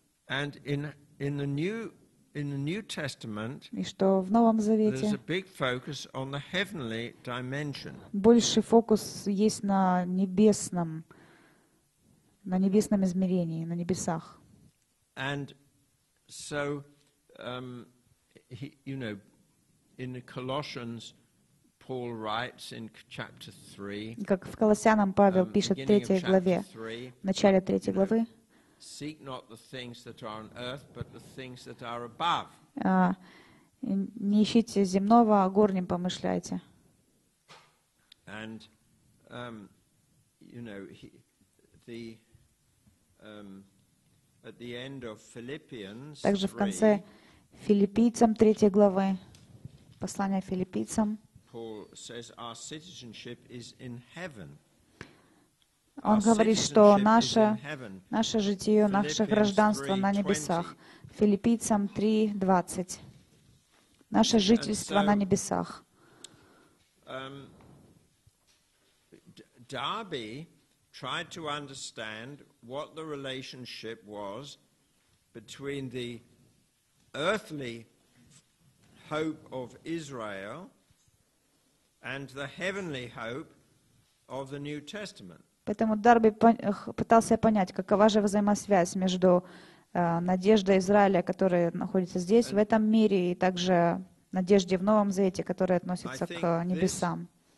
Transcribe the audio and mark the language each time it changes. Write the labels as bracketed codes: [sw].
[ru] И что в Новом Завете больше фокус есть на небесном, измерении, на небесах. [en] And so, you know, in the Colossians, Paul writes in chapter 3. [ru] Как в Колоссянам Павел пишет в третьей главе, в начале третьей главы. [en] Seek not the things that are on earth, but the things that are above. [ru] Не ищите земного, а горним помышляйте. [en] And you know, the at the end of Philippians. [ru] Также в конце Филиппийцам третьей главы, послание Филиппийцам. [en] Paul says our citizenship is in heaven. [ru] Он говорит, что наше житие, наше гражданство на небесах. Филиппийцам 3:20. Наше жительство на небесах. [en] Дарби tried to understand what the relationship was between the earthly hope of Israel and the heavenly hope of the New Testament. [ru] Поэтому Дарби пытался понять, какова же взаимосвязь между надеждой Израиля, которая находится здесь, в этом мире, и также надеждой в Новом Завете, которая относится к небесам.